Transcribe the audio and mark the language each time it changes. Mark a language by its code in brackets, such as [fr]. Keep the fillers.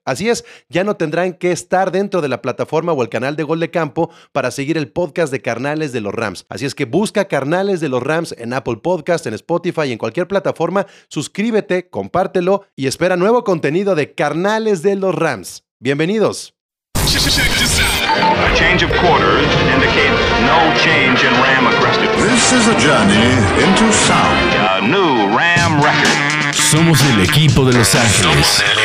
[es] Así es, ya no tendrán que estar dentro de la plataforma o el canal de Gol de Campo para seguir el podcast de Carnales de los Rams. Así es que busca Carnales de los Rams en Apple Podcast, en Spotify, y en cualquier plataforma, suscríbete, compártelo y espera nuevo contenido de Carnales de los Rams. Bienvenidos. [en] A change of quarters indicates no change in RAM aggressiveness. This is a journey into sound. A new RAM record. [es] Somos el equipo de Los Ángeles.